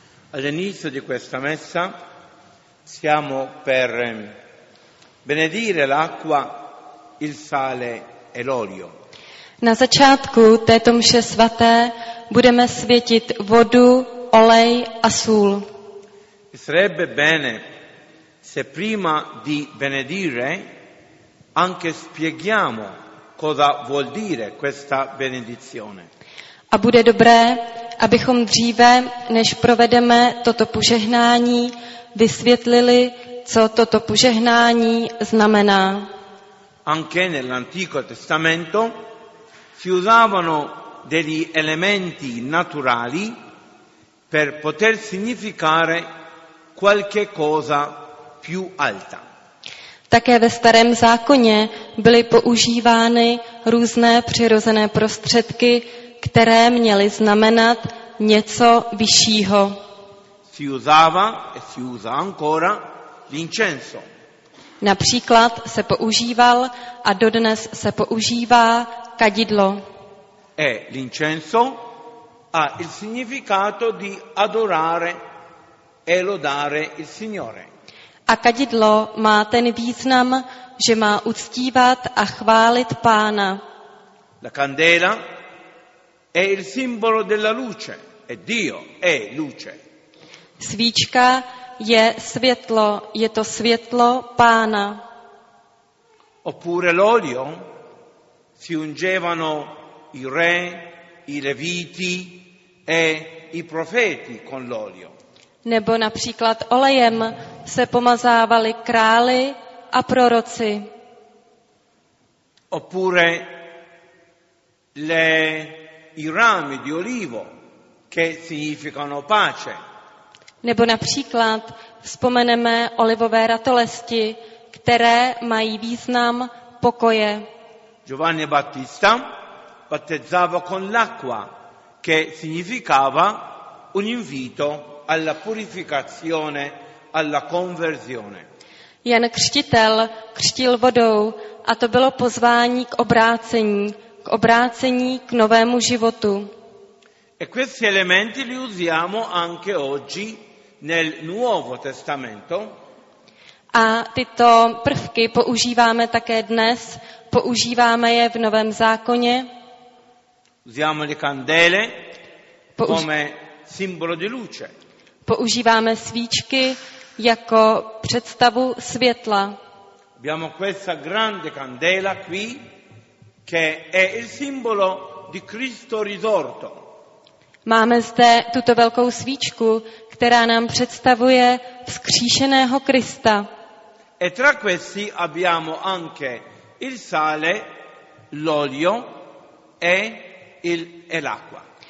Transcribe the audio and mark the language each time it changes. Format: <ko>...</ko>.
<it>All'inizio di questa messa siamo per benedire l'acqua, il sale e l'olio.</it> <cs>Na začátku této mše svaté budeme světit vodu, olej a sůl.</cs> <it>Sarebbe bene se prima di benedire anche spieghiamo cosa vuol dire questa benedizione.</it> <cs>A bude dobré, abychom dříve, než provedeme toto požehnání, vysvětlili, co toto požehnání znamená.</cs> <it>Anche nell'Antico Testamento si usavano degli elementi naturali per poter significare qualche cosa più alta.</it> <cs>Také ve Starém zákoně byly používány různé přirozené prostředky, které měly znamenat něco vyššího.</cs> <it>Si usava e si usa ancora l'incenso.</it> <cs>Například se používal a dodnes se používá kadidlo.</cs> <it>E l'incenso ha il significato di adorare e lodare il Signore.</it> <cs>A kadidlo má ten význam, že má uctívat a chválit Pána.</cs> <it>La candela è il simbolo della luce, e Dio è luce.</it> <cs>Svíčka je světlo, je to světlo Pána.</cs> <it>Oppure l'olio si ungevano i re, i leviti e i profeti con l'olio.</it> <cs>Nebo například olejem se pomazávali králi a proroci.</cs> <it>Oppure le i rami di olivo che significano pace.</it> <cs>Nebo například vzpomeneme olivové ratolesti, které mají význam pokoje.</cs> <it>Giovanni Battista battezzava con l'acqua che significava un invito alla purificazione, alla conversione.</it> <cs>Jan Křtitel křtil vodou a to bylo pozvání k obrácení. K obrácení k novému životu.</cs> <it>E questi elementi li usiamo anche oggi nel Nuovo Testamento.</it> <cs>A tyto prvky používáme také dnes, používáme je v Novém zákoně.</cs> <it>Usiamo le candele come simbolo di luce.</it> <cs>Používáme svíčky jako představu světla.</cs> <it>Abbiamo questa grande candela qui che è il simbolo di Cristo risorto.</it> <cs>Máme zde tuto velkou svíčku, která nám představuje vzkříšeného Krista.</cs> <it>E tra questi abbiamo anche il sale, l'olio e l'acqua.</it>